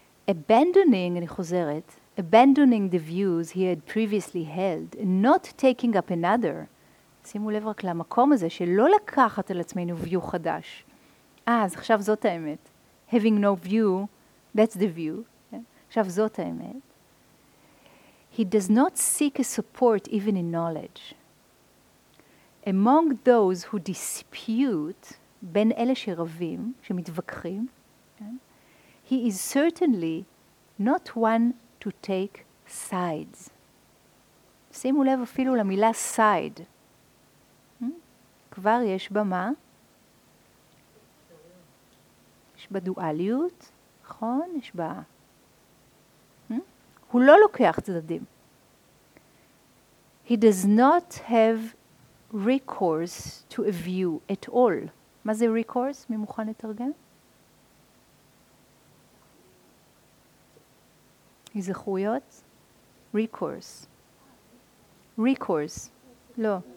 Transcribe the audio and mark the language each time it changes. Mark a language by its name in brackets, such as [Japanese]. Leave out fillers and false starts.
[English] Abandoning, [Hebrew] אני חוזרת, [English] abandoning the views he had previously held and not taking up another. [Hebrew] שימו לב רק למקום הזה שלא לקחת על עצמנו [English] view [Hebrew] חדש. אז עכשיו זאת האמת. [English] Having no view, that's the view. [Hebrew] עכשיו זאת האמת. [English] He does not seek a support even in knowledge. Among those who dispute, [Hebrew] בין אלה שרבים, שמתווכחים, [English] he is certainly not one to take sides. [Hebrew] שימו לב אפילו למילה [English] side. [Hebrew] כבר יש בה מה? יש בה דואליות, נכון? יש בה... הוא לא לוקח צדדים. [English] He does not have recourse to a view at all. [Hebrew] מה זה [English] recourse? [Hebrew] מי מוכן לתרגם? הזכויות? [English] recourse. [Hebrew] לא.